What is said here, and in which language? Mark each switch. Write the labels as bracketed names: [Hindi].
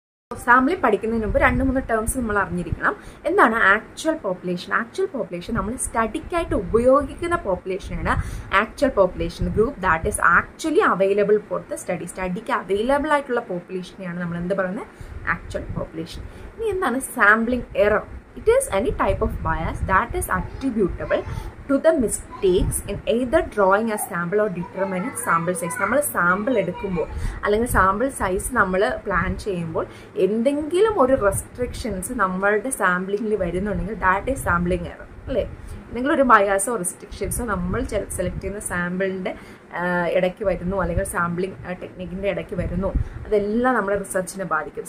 [Malayalam] Sampling പഠിക്കുന്നതിന് മുമ്പ് രണ്ട് മൂന്ന് ടേംസ് നമ്മൾ അറിഞ്ഞിരിക്കണം. എന്താണ് ആക്ച്വൽ പോപ്പുലേഷൻ? ആക്ച്വൽ പോപ്പുലേഷൻ നമ്മൾ സ്റ്റഡിക്കായിട്ട് ഉപയോഗിക്കുന്ന പോപ്പുലേഷനാണ് actual population group, [English] That is actually available for the study. [Malayalam] സ്റ്റഡിക്ക് available ആയിട്ടുള്ള പോപ്പുലേഷനെയാണ് നമ്മൾ എന്ത് പറയുന്നത്? Actual population. ഇനി എന്താണ് sampling error? [English] It is any type of bias that is attributable to the mistakes in either drawing a sample or determining sample size. [Malayalam] നമ്മൾ sample എടുക്കുമ്പോൾ അല്ലെങ്കിൽ sample size നമ്മൾ പ്ലാൻ ചെയ്യുമ്പോൾ എന്തെങ്കിലും ഒരു റെസ്ട്രിക്ഷൻസ് നമ്മളുടെ സാമ്പിളിംഗിൽ വരുന്നുണ്ടെങ്കിൽ [English] that is sampling error [Malayalam] അല്ലേ. എന്തെങ്കിലും ഒരു ബയാസോ റെസ്ട്രിക്ഷൻസോ നമ്മൾ സെലക്ട് ചെയ്യുന്ന സാമ്പിളിൻ്റെ ഇടയ്ക്ക് വരുന്നു അല്ലെങ്കിൽ സാമ്പിളിംഗ് ടെക്നിക്കിൻ്റെ ഇടയ്ക്ക് വരുന്നു, അതെല്ലാം നമ്മുടെ റിസർച്ചിനെ ബാധിക്കും.